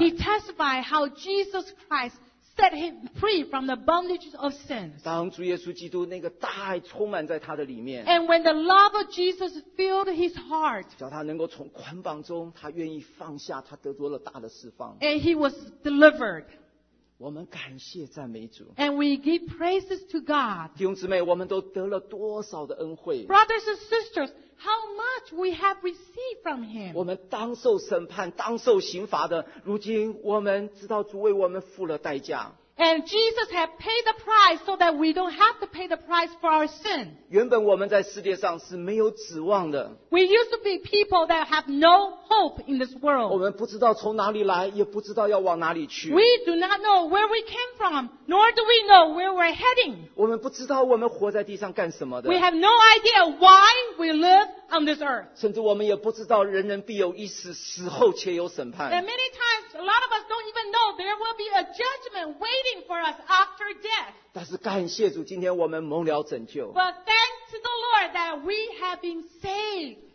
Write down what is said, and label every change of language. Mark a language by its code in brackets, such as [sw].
[en] He testified how Jesus Christ set him free from the bondages of sin. [zh] 当主耶稣基督那个大爱充满在他的里面, [en] and when the love of Jesus filled his heart, [zh] 叫他能够从捆绑中, 他愿意放下, 他得着了大的释放, [en] and he was delivered. [zh] 我们感谢赞美主。 [en] And we give praises to God. [zh] 弟兄姊妹, 我们都得了多少的恩惠。 [en] Brothers and sisters, how much we have received from him. [zh] 我们当受审判, 当受刑罚的, 如今我们知道主为我们付了代价。 [en] And Jesus had paid the price so that we don't have to pay the price for our sin. [zh] 原本我们在世界上是没有指望的。 [en] We used to be people that have no hope in this world. [zh] 我们不知道从哪里来, 也不知道要往哪里去。 [en] We do not know where we came from, nor do we know where we're heading. [zh] 我们不知道我们活在地上干什么的。 [en] We have no idea why we live on this earth. [zh] 甚至我们也不知道人人必有一死, 死后且有审判。 [en] And many times, a lot of us don't even know there will be a judgment waiting for us after death. [zh] 但是感谢主, 今天我们蒙了拯救。 [en] But thank to the Lord that we have been saved.